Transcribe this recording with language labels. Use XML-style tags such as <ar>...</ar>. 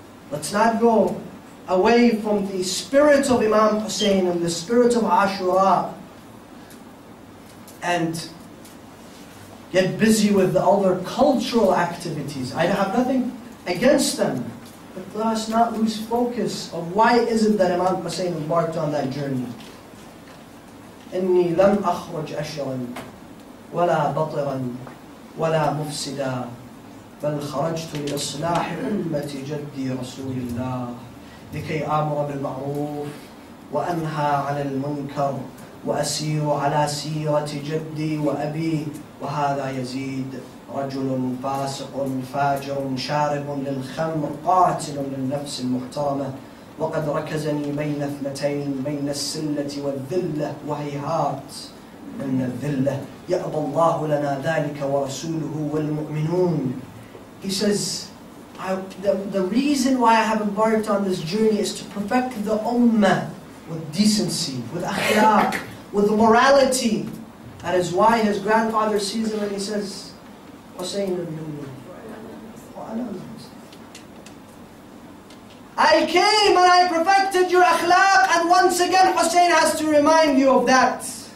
<en>Let's not go away from the spirit of Imam Hussein and the spirit of Ashura and get busy with the other cultural activities. I have nothing against them. But let us not lose focus of why is it that Imam Hussein embarked on that journey.</en> <ar>إِنِّي لَمْ أَخْرُجْ أَشْرًا وَلَا بَطِرًا وَلَا مُفْسِدًا بَلْ خَرَجْتُ لِإِصْلَاحِ أُمَّةِ جَدِّي رَسُولِ اللَّهِ لِكَيْ أَمْرَ بِالْمَعْرُوفِ وَأَنْهَى عَلَى الْمُنْكَرِ وَأَسِيرُ عَلَى سِيرَةِ جَدِّي وَأَبِي وَهَذَا يَزِيدُ رجل فاسق فاجر شارب للخمر قاتل للنفس المحترمة وقد ركزني بين اثنتين بين السلة والذلة وهيهات إن الذلة يأبى الله لنا ذلك ورسوله والمؤمنون.</ar> <en>He says, the reason why I have embarked on this journey is to perfect the ummah with decency, with akhlaq, with morality. That is why his grandfather sees him and he says, I came and I perfected your akhlaq, and once again Hussein has to remind you of that.</en>